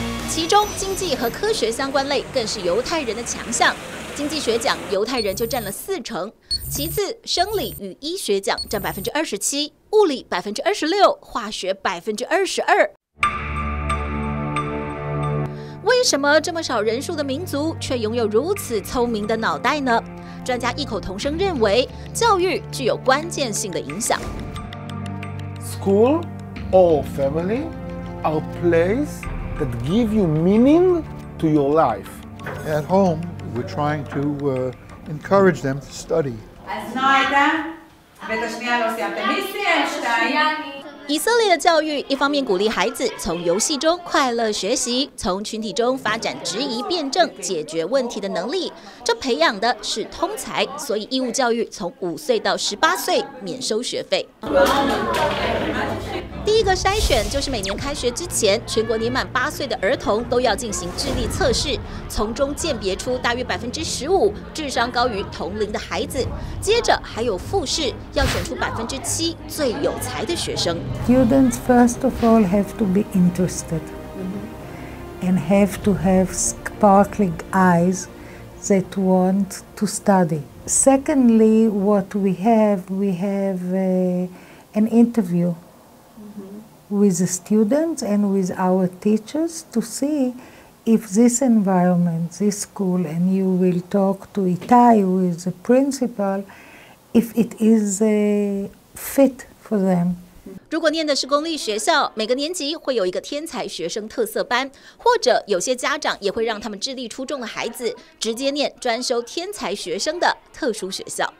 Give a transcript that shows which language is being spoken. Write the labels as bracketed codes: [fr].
[zh] 其中经济和科学相关类更是犹太人的强项，经济学奖犹太人就占了40%，其次生理与医学奖占27%，物理26%，化学22%。为什么这么少人数的民族却拥有如此聪明的脑袋呢？专家异口同声认为，教育具有关键性的影响。 [en] School or family are places that give you meaning to your life. At home, we're trying to encourage them to study. As Naida, Betashnia, [zh] Lucia, Tamisi, and Stein. 以色列的教育一方面鼓励孩子从游戏中快乐学习，从群体中发展质疑、辩证、解决问题的能力，这培养的是通才，所以义务教育从5岁到18岁免收学费。第一个筛选就是每年开学之前，全国年满8岁的儿童都要进行智力测试，从中鉴别出大约15%智商高于同龄的孩子。接着还有复试，要选出7%最有才的学生。 [en] Students first of all have to be interested and have to have sparkling eyes that want to study. Secondly, what we have an interview. With the students and with our teachers to see if this environment, this school, and you will talk to Itai, who is the principal, if it is a fit for them. [zh] 如果念的是公立学校，每个年级会有一个天才学生特色班，或者有些家长也会让他们智力出众的孩子直接念专收天才学生的特殊学校。